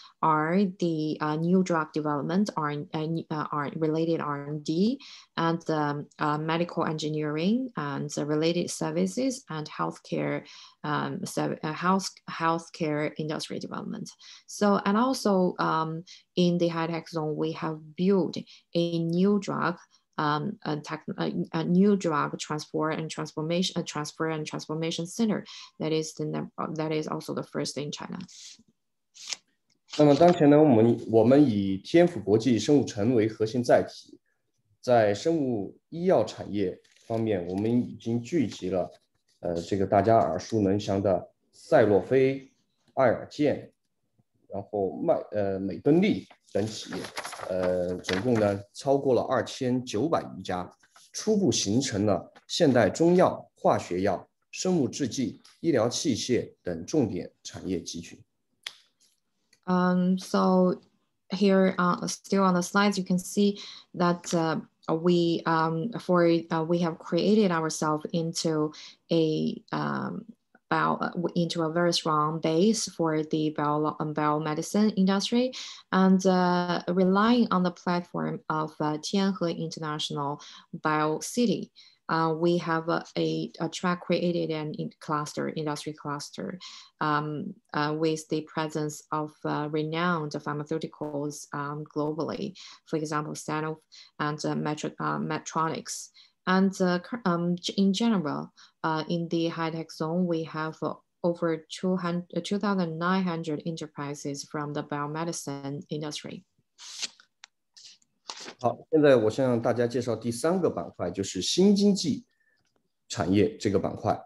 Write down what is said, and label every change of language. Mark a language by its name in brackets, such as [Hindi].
[English] Are the new drug development, related R&D, and medical engineering, and related services, and healthcare, healthcare industry development. So, and also in the high-tech zone, we have built a new drug, transfer and transformation center. That is also the first in China. [Chinese] 那么当前呢，我们以天府国际生物城为核心载体，在生物医药产业方面，我们已经聚集了这个大家耳熟能详的赛诺菲、艾尔健，然后美敦力等企业，总共呢超过了2900余家，初步形成了现代中药、化学药、生物制剂、医疗器械等重点产业集群。 [English] So here, still on the slides, you can see that we have created ourselves into a very strong base for the biomedicine industry, and relying on the platform of Tianhe International Bio City. We have a track created an industry cluster with the presence of renowned pharmaceuticals globally, for example, Sanofi and Medtronic. And in general, in the high tech zone, we have over 2,900 enterprises from the biomedicine industry. [Chinese] 好，现在我向大家介绍第三个板块，就是新经济产业这个板块。